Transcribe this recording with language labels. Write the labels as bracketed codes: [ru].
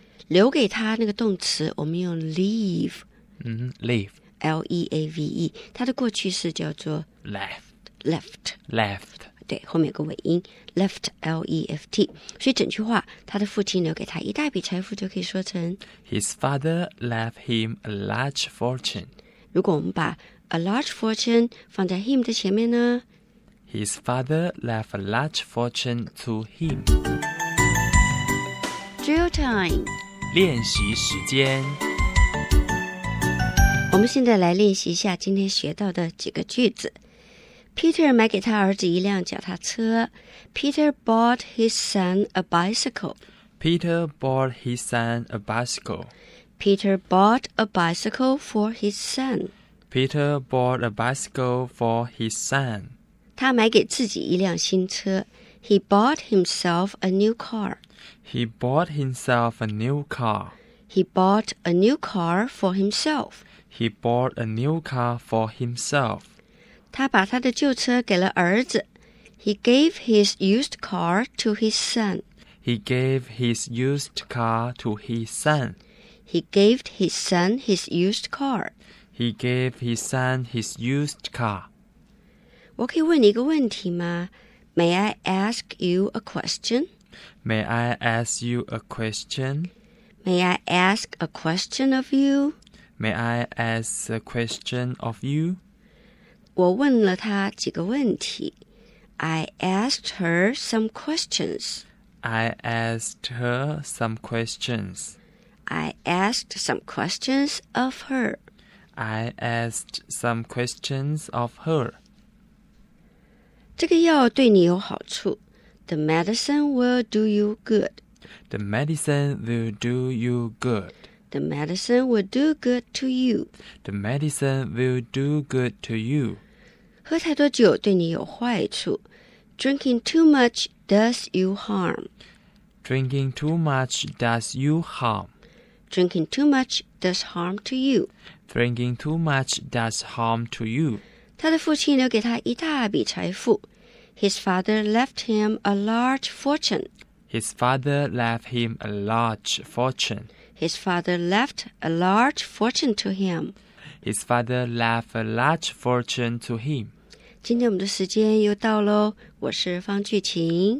[zh] 留给他那个动词我们用 leave. [en] Leave. [zh] L-E-A-V-E. 他的过去式叫做 [en] left. Left. Left. [zh] 对，后面有个尾音 left, L-E-F-T. 所以整句话，他的父亲留给他一大笔财富就可以说成 [en] His father left him a large fortune. [zh] 如果我们把 [en] a large fortune [zh] 放在 him 的前面呢？ [en] His father left a large fortune to him. Drill time. [zh] 练习时间。我们现在来练习一下今天学到的几个句子。 Peter 买给他儿子一辆脚踏车。 [en] Peter bought his son a bicycle. Peter bought his son a bicycle. Peter bought a bicycle for his son. Peter bought a bicycle for his son. [zh] 他买给自己一辆新车。 [en] He bought himself a new car. He bought himself a new car. He bought a new car for himself. He bought a new car for himself. [zh] 他把他的旧车给了儿子。 [en] He gave his used car to his son. He gave his used car to his son. He gave his son his used car. He gave his son his used car. [zh] 我可以问你一个问题吗? [en] May I ask you a question? May I ask you a question? May I ask a question of you? May I ask a question of you? [zh] 我问了她几个问题。 [en] I asked her some questions. I asked her some questions. I asked some questions of her. I asked some questions of her. [zh] 这个药对你有好处。 [en] The medicine will do you good. The medicine will do you good. The medicine will do good to you. The medicine will do good to you. [zh] 喝太多酒对你有坏处。 [en] Drinking too much does you harm. Drinking too much does you harm. Drinking too much does harm to you. Drinking too much does harm to you. [zh] 他的父亲留给他一大笔财富。 [en] His father left him a large fortune. His father left him a large fortune. His father left a large fortune to him. His father left a large fortune to him. [zh] 今天我们的时间又到咯，我是方巨琴，